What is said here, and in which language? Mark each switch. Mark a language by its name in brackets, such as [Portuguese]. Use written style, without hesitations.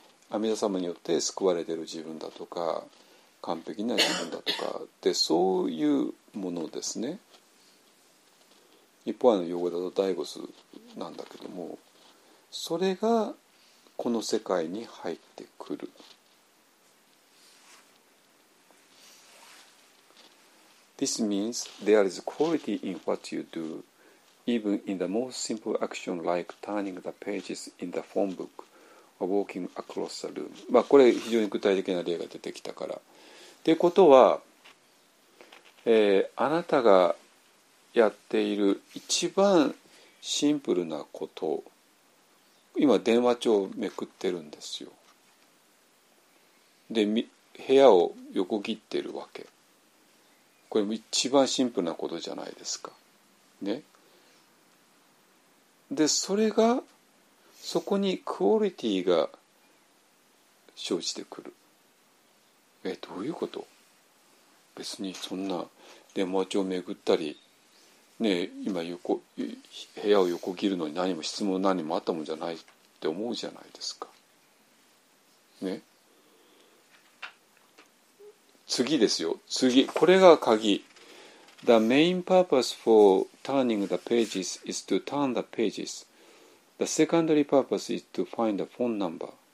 [Japanese] 阿弥陀様によって救われてる自分だとか完璧な自分だとかってそういうものですね。一方あの用語だとダイゴスなんだけども、それがこの世界に入ってくる。 [English] This means there is quality in what you do, even in the most simple action like turning the pages in the phone book or walking across the room. [Japanese] まあこれ非常に具体的な例が出てきたから。ということは、あなたがやっている一番シンプルなこと、今電話帳をめくってるんですよ。で、部屋を横切ってるわけ。これも一番シンプルなことじゃないですか、ね、でそれがそこにクオリティが生じてくる。え、どういうこと。別にそんな電話帳を巡ったり、ね、今横部屋を横切るのに何も質問何もあったもんじゃないって思うじゃないですか、ね、次ですよ。次。これが鍵。 [English] The main purpose for turning the pages is to turn the pages. The secondary purpose is to find the phone number.